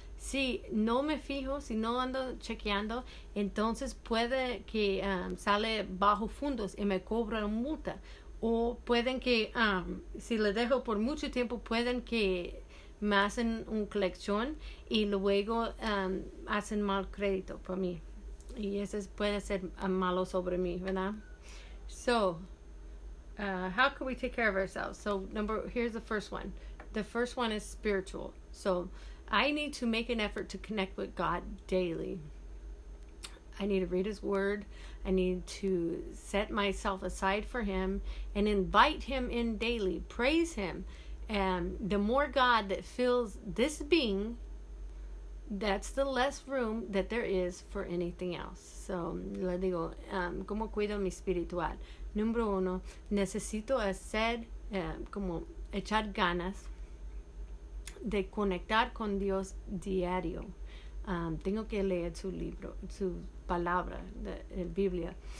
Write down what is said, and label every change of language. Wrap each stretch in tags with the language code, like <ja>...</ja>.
<es>Si no me fijo, si no ando chequeando, entonces puede que sale bajo fondos y me cobran multa. O pueden que, si le dejo por mucho tiempo, pueden que me hacen un colección y luego hacen mal crédito para mí. Y eso puede ser malo sobre mí, ¿verdad?</es> <en>So, how can we take care of ourselves? So, here's the first one. The first one is spiritual. So, I need to make an effort to connect with God daily. I need to read His Word. I need to set myself aside for Him and invite Him in daily. Praise Him. And the more God that fills this being, that's the less room that there is for anything else.</en> <es>So, le digo, ¿cómo cuido mi espiritual? Número uno, necesito hacer, como echar ganas de conectar con Dios diario. Tengo que leer su libro, su palabra, la Biblia.</es>